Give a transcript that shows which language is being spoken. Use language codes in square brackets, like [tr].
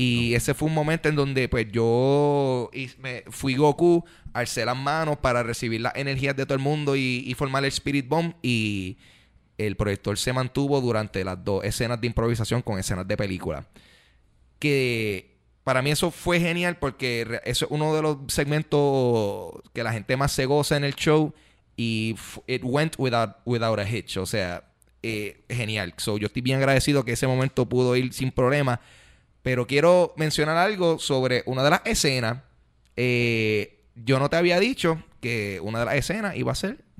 [es] Y ese fue un momento en donde pues yo me fui Goku, alcé las manos para recibir las energías de todo el mundo y formar el Spirit Bomb y... El proyector se mantuvo durante las dos escenas de improvisación con escenas de película. Que para mí eso fue genial porque eso es uno de los segmentos que la gente más se goza en el show. [en] Y it went without a hitch. [es] O sea, genial. So, yo estoy bien agradecido que ese momento pudo ir sin problema. Pero quiero mencionar algo sobre una de las escenas. Yo no te había dicho que una de las escenas iba a ser...